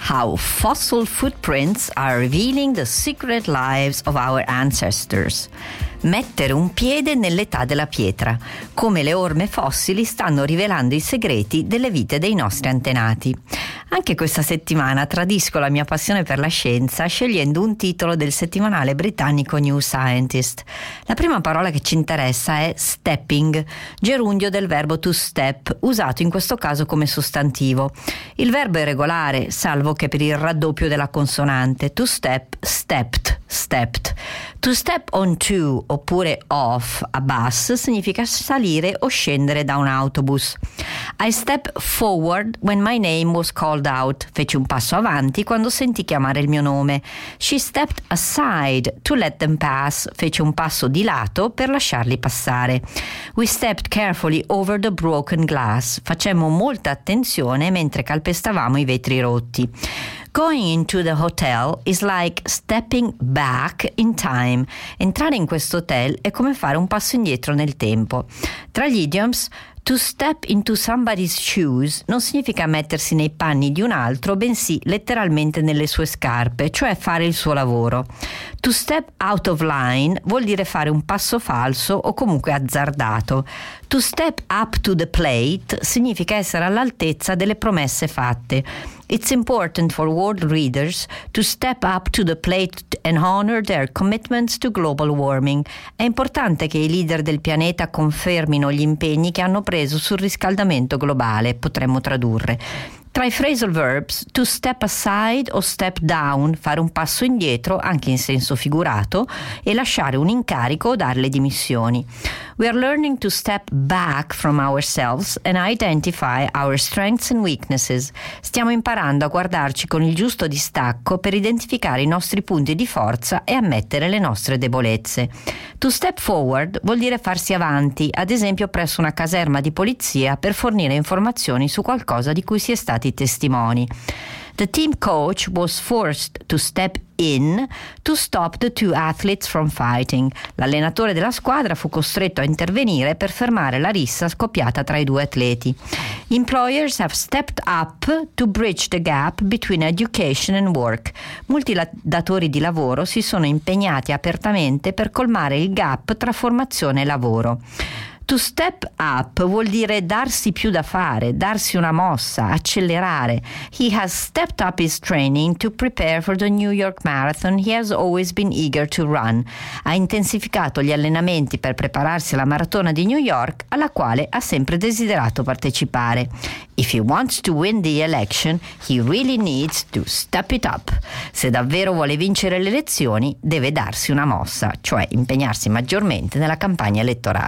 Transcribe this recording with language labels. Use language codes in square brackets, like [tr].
[en] How fossil footprints are revealing the secret lives of our ancestors. [it] Mettere un piede nell'età della pietra. Come le orme fossili stanno rivelando i segreti delle vite dei nostri antenati. Anche questa settimana tradisco la mia passione per la scienza scegliendo un titolo del settimanale britannico New Scientist. La prima parola che ci interessa è stepping, gerundio del verbo to step, usato in questo caso come sostantivo. Il verbo è regolare, salvo che per il raddoppio della consonante, [en] to step, stepped, stepped. To step on to, [it] oppure [en] off, a bus, [it] significa salire o scendere da un autobus. [en] I step forward when my name was called out. [it] Feci un passo avanti quando sentì chiamare il mio nome. [en] She stepped aside to let them pass. [it] Feci un passo di lato per lasciarli passare. [en] We stepped carefully over the broken glass. [it] Facemmo molta attenzione mentre calpestavamo i vetri rotti. [en] Going into the hotel is like stepping back in time. [it] Entrare in questo hotel è come fare un passo indietro nel tempo. Tra gli idioms, [en] to step into somebody's shoes [it] non significa mettersi nei panni di un altro, bensì letteralmente nelle sue scarpe, cioè fare il suo lavoro. [en] To step out of line [it] vuol dire fare un passo falso o comunque azzardato. [en] To step up to the plate [it] significa essere all'altezza delle promesse fatte. [en] It's important for world leaders to step up to the plate and honor their commitments to global warming. [it] È importante che i leader del pianeta confermino gli impegni che hanno preso sul riscaldamento globale, potremmo tradurre. Tra i phrasal verbs, [en] to step aside [it] o [en] step down, [it] fare un passo indietro, anche in senso figurato, e lasciare un incarico o dare le dimissioni. [en] We are learning to step back from ourselves and identify our strengths and weaknesses. [it] Stiamo imparando a guardarci con il giusto distacco per identificare i nostri punti di forza e ammettere le nostre debolezze. [en] To step forward [it] vuol dire farsi avanti, ad esempio presso una caserma di polizia per fornire informazioni su qualcosa di cui si è stati testimoni. [en] The team coach was forced to step in to stop the two athletes from fighting. [it] L'allenatore della squadra fu costretto a intervenire per fermare la rissa scoppiata tra i due atleti. [en] Employers have stepped up to bridge the gap between education and work. [it] Molti datori di lavoro si sono impegnati apertamente per colmare il gap tra formazione e lavoro. [en] To step up [it] vuol dire darsi più da fare, darsi una mossa, accelerare. [en] He has stepped up his training to prepare for the New York Marathon he has always been eager to run. [it] Ha intensificato gli allenamenti per prepararsi alla maratona di New York, alla quale ha sempre desiderato partecipare. [en] If he wants to win the election, he really needs to step it up. [it] Se davvero vuole vincere le elezioni, deve darsi una mossa, cioè impegnarsi maggiormente nella campagna elettorale.